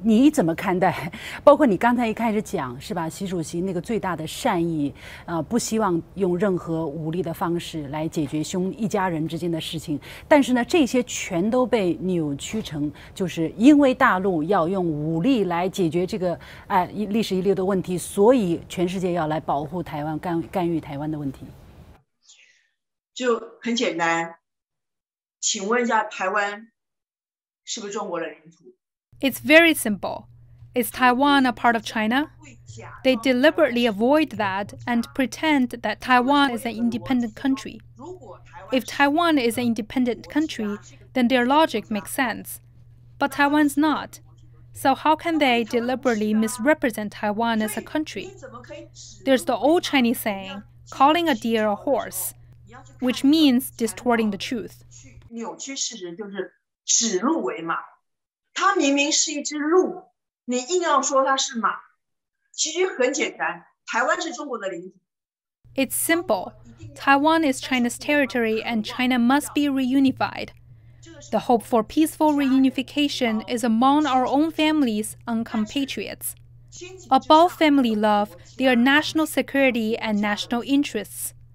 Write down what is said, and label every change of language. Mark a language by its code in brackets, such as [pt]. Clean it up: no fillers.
[zh] 你怎么看待？包括你刚才一开始讲是吧，习主席那个最大的善意不希望用任何武力的方式来解决兄一家人之间的事情，但是呢这些全都被扭曲成就是因为大陆要用武力来解决这个历史遗留的问题，所以全世界要来保护台湾，干预台湾的问题。就很简单，请问一下，台湾是不是中国的领土？ [en] It's very simple. Is Taiwan a part of China? They deliberately avoid that and pretend that Taiwan is an independent country. If Taiwan is an independent country, then their logic makes sense. But Taiwan's not. So how can they deliberately misrepresent Taiwan as a country? There's the old Chinese saying, calling a deer a horse. Which means distorting the truth. [zh] 扭曲事实就是指鹿为马，它明明是一只鹿，你硬要说它是马，其实很简单，台湾是中国的领土。 [en] It's simple. Taiwan is China's territory, and China must be reunified. The hope for peaceful reunification is among our own families and compatriots. Above family love, there are national security and national interests.